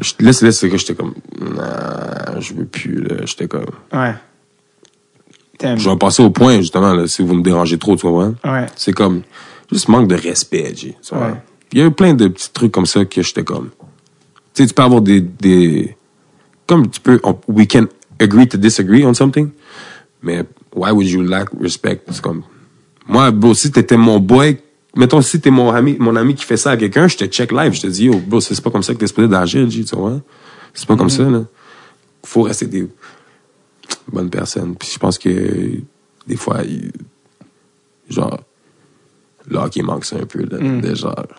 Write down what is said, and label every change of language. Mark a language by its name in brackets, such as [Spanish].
[French] Laisse, que j'étais comme, nah, je veux plus, là. J'étais comme, ouais. Je vais passer au point, justement, là, si vous me dérangez trop, tu vois. Ouais. C'est comme, juste manque de respect, tu vois. Ouais. Il y a eu plein de petits trucs comme ça que j'étais comme, tu sais, tu peux avoir des. Comme tu peux, [English] we can agree to disagree on something, mais why would you lack respect? [French] C'est comme, moi, bro, si t'étais mon boy, mettons, si t'es mon ami qui fait ça à quelqu'un, je te check live, je te dis, yo, bro, c'est pas comme ça que t'es supposé d'agir, tu vois. C'est pas comme ça, là. Faut rester des bonnes personnes. Puis je pense que, des fois, genre, là, qui manque ça un peu, là, déjà.